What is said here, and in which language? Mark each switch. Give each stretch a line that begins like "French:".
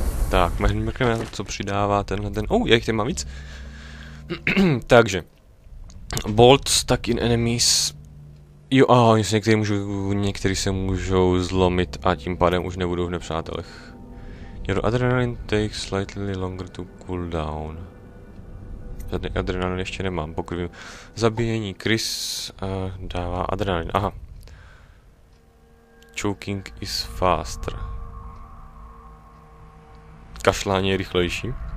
Czech: Tak, mrkneme, co přidává tenhle ten... já jich tady mám víc. Takže.
English: Bolts stuck in enemies.
Czech: Jo, oni se některý se můžou zlomit a tím pádem už nebudou v nepřátelech.
English: Your adrenaline takes slightly longer to cool down.
Czech: Žádný adrenalin ještě nemám, pokud vím. Zabíjení Chris dává adrenalin, aha.
English: Choking is faster.
Czech: Kašlání je rychlejší.